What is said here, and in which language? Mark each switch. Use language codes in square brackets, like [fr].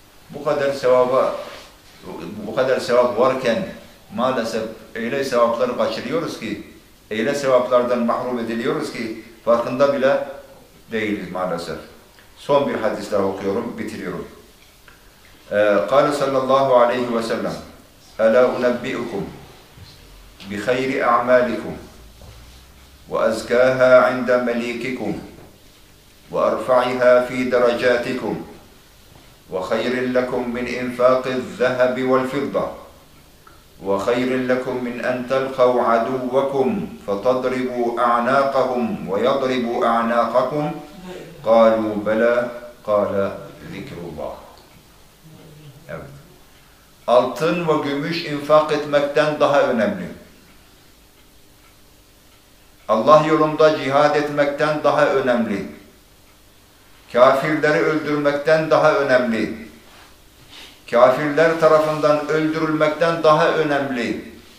[tr] Bu kadar sevaba bu kadar sevap varken maalesef öyle sevapları kaçırıyoruz ki öyle sevaplardan mahrum ediliyoruz ki farkında bile değiliz maalesef. Son bir hadis daha okuyorum, bitiriyorum. [ar] Kâle sallallahu aleyhi ve sellem Elâ unebbi'ukum bi khayri a'malikum ve ezkâhâ inde melikikum ve erfa'ihâ fî derecâtikum وخير لكم من إنفاق الذهب والفضة وخير لكم من أن تلقوا عدوكم فتضربوا أعناقهم ويضربوا أعناقكم قالوا بلى قال ذكر الله evet. [tr] Altın ve gümüş infak etmekten daha önemli. Allah yolunda cihad etmekten daha önemli. Kafirleri öldürmekten daha önemli. Kafirler tarafından öldürülmekten daha önemli.